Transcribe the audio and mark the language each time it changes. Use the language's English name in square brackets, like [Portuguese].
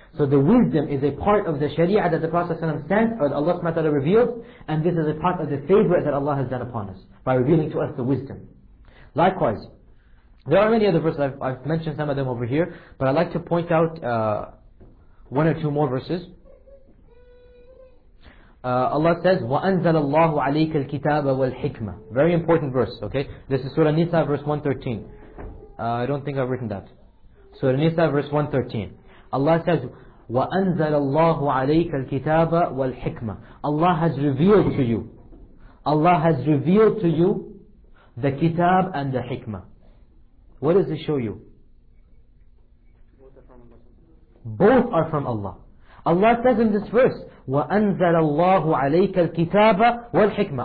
[English] So the wisdom is a part of the sharia that the Prophet ﷺ sent, or that Allah ta'ala revealed, and this is a part of the favor that Allah has done upon us by revealing to us the wisdom. Likewise, there are many other verses. I've mentioned some of them over here, but I'd like to point out one or two more verses. Allah says, [Arabic] وَأَنزَلَ اللَّهُ عَلَيْكَ الْكِتَابَ وَالْحِكْمَةِ. [English] Very important verse, okay? This is Surah Nisa, verse 113. I don't think I've written that. Surah Nisa, verse 113. Allah says, [Arabic] وَأَنزَلَ اللَّهُ عَلَيْكَ الْكِتَابَ وَالْحِكْمَةِ. [English] Allah has revealed to you. Allah has revealed to you the kitab and the hikmah. What does it show you? Both are from Allah. Allah says in this verse, [Arabic] وَأَنزَلَ اللَّهُ عَلَيْكَ الْكِتَابَ وَالْحِكْمَةِ.